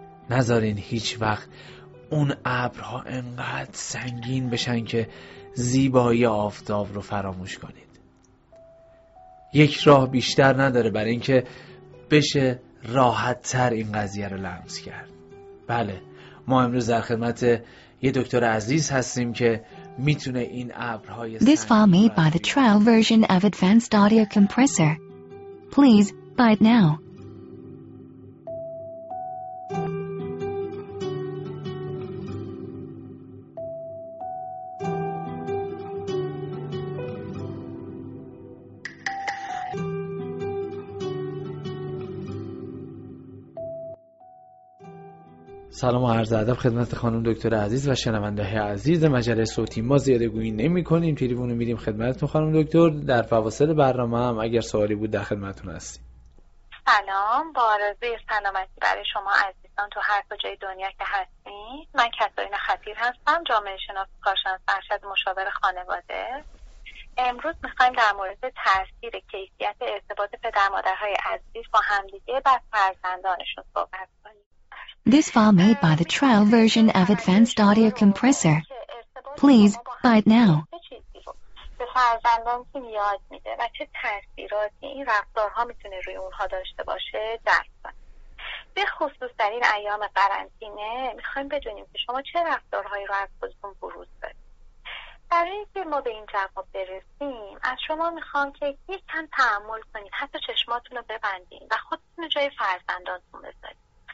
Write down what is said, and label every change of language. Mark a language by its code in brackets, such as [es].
[fa] نذارین هیچ وقت اون ابرها انقدر سنگین بشن که زیبایی آفتاب رو فراموش کنید. یک راه بیشتر نداره برای اینکه بشه راحت تر این قضیه رو لمس کرد. بله، ما امروز در خدمت یه دکتر عزیز هستیم که میتونه این ابرهای سنگین. [en] This file made by the trial version of Advanced Audio Compressor. Please buy it now. [fa] سلام و عرض ادب خدمت خانم دکتر عزیز و شنونده‌های عزیز مجله صوتی. ما زیاده گویی نمی‌کنیم، تلفن رو می‌دیم خدمتتون خانم دکتر. در فواصل برنامه هم اگر سوالی بود در خدمتتون هستیم. سلام، با عرض سلامتی برای شما عزیزان تو هر کجای دنیا که هستین. من کاترین خطیر هستم، جامعه شناس کارشناس ارشد مشاور خانواده. امروز می‌خوایم در مورد تاثیر کیفیت ارتباط پدرمادرهای عزیز با همدیگه بر فرزندانشون صحبت کنیم. [en] This file made by the trial version of Advanced Audio Compressor. Please buy it now. [fa] به فرزندان چی یاد میده و چه تاثیراتی این رفتارها میتونه روی اونها داشته باشه درس بدن. به خصوص در این ایام قرنطینه میخوایم بدونیم که شما چه رفتارهایی رو از خودتون بروز بدید. برای اینکه ما به این جواب برسیم از شما میخوام که یکم تأمل کنید، حتی چشماتون رو ببندید و خودتون رو جای فرزندانتون بذارید.